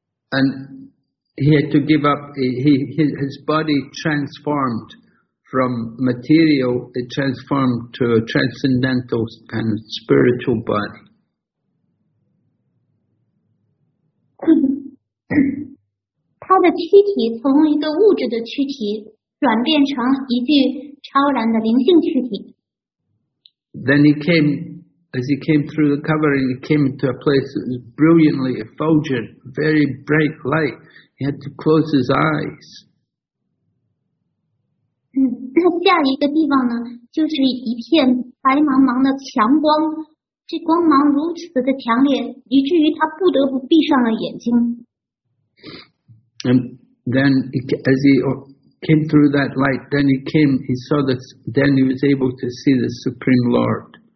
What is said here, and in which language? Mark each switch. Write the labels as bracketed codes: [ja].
[en] And he had to give up, his body transformed from material, it transformed to a transcendental kind of spiritual body. [zh] 他的躯体从一个物质的躯体转变成一具超然的灵性躯体。 [en] Then he came As he came through the covering, he came into a place that was brilliantly effulgent, very bright light. He had to close his eyes. [zh] 那下一个地方呢，就是一片白茫茫的强光。这光芒如此的强烈，以至于他不得不闭上了眼睛。 [en] And then, as he came through that light, then he came. He saw this. Then he was able to see the Supreme Lord.